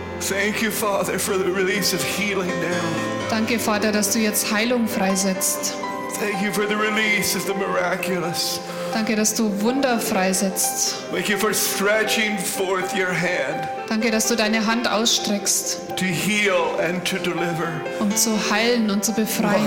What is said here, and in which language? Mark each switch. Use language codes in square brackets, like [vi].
[en] Thank you, Father, for the release of healing now. [de] Danke, Vater, dass du jetzt Heilung freisetzt. [en] Thank you for the release of the miraculous. [de] Danke, dass du Wunder freisetzt. [en] Thank you for stretching forth your hand. [de] Danke, dass du deine Hand ausstreckst. [en] To heal and to deliver. [de] Um zu heilen und zu befreien.